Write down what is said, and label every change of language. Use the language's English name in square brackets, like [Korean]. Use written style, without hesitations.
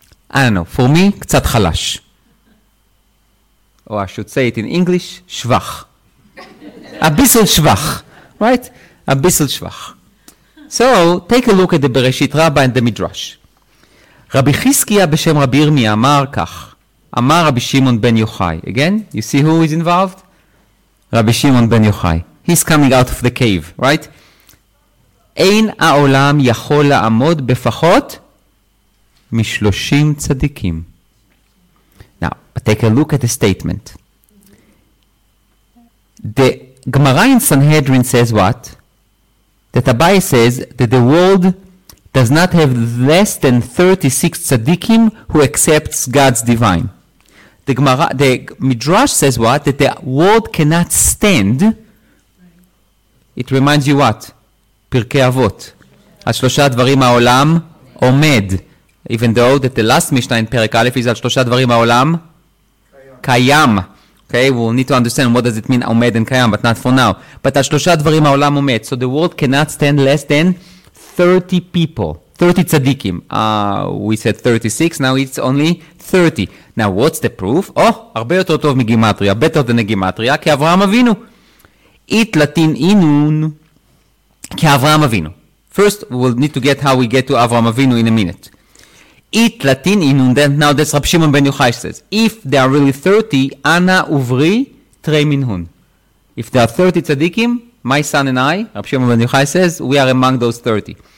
[English] I don't know. For me, [Hebrew] קצת חלש. [English] Or I should say it in English, שבח. Abyssal שבח. Right? Abyssal שבח. So, take a look at the Bereshit Rabbah and the Midrash. [Hebrew] רבי חזקיה בשם רבי ירמיה אמר כך, אמר רבי שמעון בן יוחאי. [English] Again, you see who is involved? רבי שמעון בן יוחאי. He's coming out of the cave, right? [Hebrew] אין העולם יכול לעמוד בפחות מ-30 צדיקים. [English] Now, take a look at the statement. The Gemara in Sanhedrin says what? That Abai says that the world does not have less than 36 tzaddikim who accepts God's divine. The Midrash says what? That the world cannot stand. It reminds you what? Pirkei Avot. [Hebrew] Al shlosha dvarim ha'olam omed. [English] Even though that the last Mishnah in Perek Aleph is [Hebrew] al shlosha dvarim ha'olam kayam. [English] Okay, we'll need to understand what does it mean omed and kayam, but not for now. But [Hebrew] al shlosha dvarim ha'olam omed. [English] So the world cannot stand less than 30 people, 30 tzaddikim. We said 36, now it's only 30. Now, what's the proof? Oh, [Hebrew] הרבה יותר טוב מגימטריה, [English] better than a gimatria, [Hebrew] כי אברהם אבינו. [English] It latin inun, [Hebrew] כי אברהם אבינו. [English] First, we'll need to get how we get to אברהם אבינו in a minute. It latin inun, then now that's רב שמעון בן יוחאי says, if there are really 30, [Aramaic] אנא עוברי תרי מנהון. [English] If there are 30 tzaddikim, my son and I, Rav Shimon ben Yochai says, we are among those 30.